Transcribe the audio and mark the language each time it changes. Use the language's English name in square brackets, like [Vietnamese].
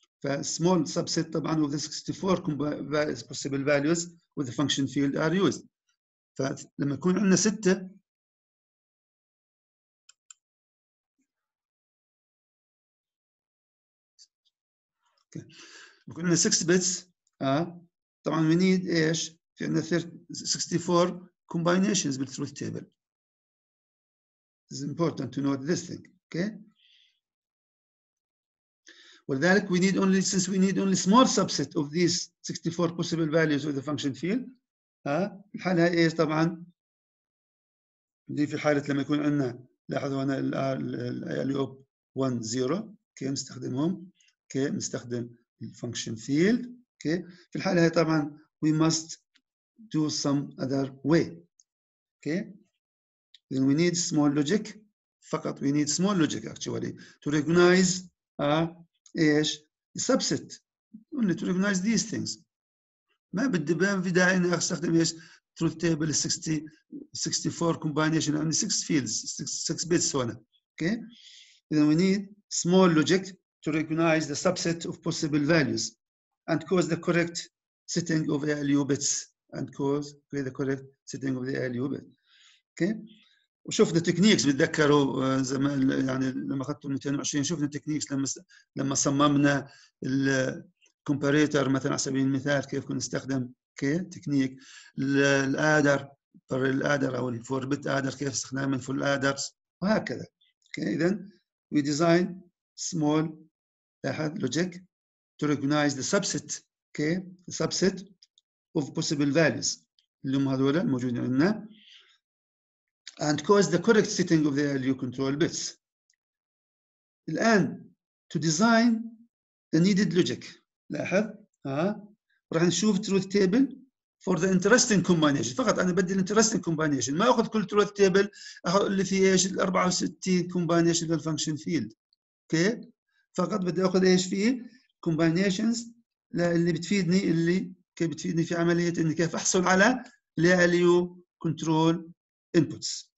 [English] ف small subset طبعا of the 64 possible values with the function field are used. [Arabic] فلما يكون عندنا 6 okay. يكون عندنا 6 bits طبعا [English] we need [Arabic] ايش؟ في عندنا 64 combinations with truth table. [English] It's important to note this thing. Okay. [Arabic] ولذلك [English] we need only, since we need only small subset of these 64 possible values of the function field. [Arabic] الحالة ايش طبعا؟ دي في حالة لما يكون عندنا، لاحظوا هنا ال ALU 1 0. Okay. نستخدمهم. Okay. نستخدم ال function field. [English] Okay. [Arabic] في الحالة هي طبعا [English] we must do some other way. Okay. Then we need small logic. [Arabic] فقط [English] we need small logic actually to recognize ايش the subset. Only to recognize these things. [Arabic] ما بدي بان في داعي اني استخدم ايش truth table 64 combination. عندي 6 fields 6 bits هنا. [English] Okay. Then we need small logic to recognize the subset of possible values and cause the correct setting of ALU bits and cause create the correct setting of the ALU bit. Okay. [Arabic] وشوفنا تكنيكس، بتذكروا زمان يعني لما اخذتوا 220 شوفنا تكنيكس لما صممنا الكومباريتر مثلا على سبيل المثال، كيف كنا نستخدم كي تكنيك الادر فور الادر او الفور بت ادر، كيف استخدام الفول ادرز وهكذا. [English] Okay. اذا we design small لاحظ logic to recognize the subset. Okay, the subset of possible values [Arabic] اللي هم هذول الموجودين عندنا [English] and cause the correct setting of the ALU control bits. الآن to design the needed logic [Arabic] لاحظ راح نشوف [English] truth table for the interesting combination. [Arabic] فقط أنا بدي [English] interesting combination، [Arabic] ما أخذ كل truth table، أخذ اللي فيه إيش 64 combination للfunction field. [English] Okay. [Arabic] فقط بدي أخذ إيش فيه combinations اللي بتفيدني، اللي كيف بتفيدني في عمليه اني كيف احصل على ALU control inputs.